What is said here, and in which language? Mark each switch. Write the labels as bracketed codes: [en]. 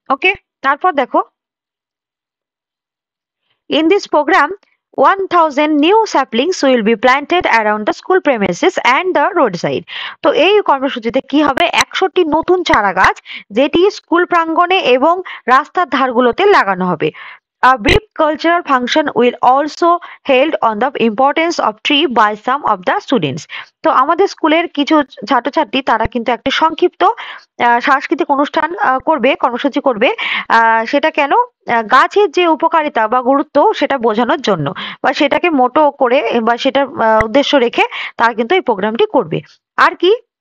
[en] okay, [bn] তারপর দেখো, [en] In this program 1000 new saplings will be planted around the school premises and the road side. [bn] তো এই কর্মসূচিতে কি হবে, 100টি নতুন চারা গাছ যেটি স্কুল প্রাঙ্গণে এবং রাস্তার ধারগুলোতে লাগানো হবে। [en] A brief cultural function will also held on the importance of tree by some of the students. [bn] তো আমাদের স্কুলের কিছু ছাত্রছাত্রী তারা কিন্তু একটি সংক্ষিপ্ত সাংস্কৃতিক অনুষ্ঠান করবে, কর্মসূচি করবে, সেটা কেন, গাছের যে উপকারিতা বা গুরুত্ব সেটা বোঝানোর জন্য, বা সেটাকে মোটো করে বা সেটার উদ্দেশ্য রেখে তারা কিন্তু এই প্রোগ্রামটি করবে আর কি।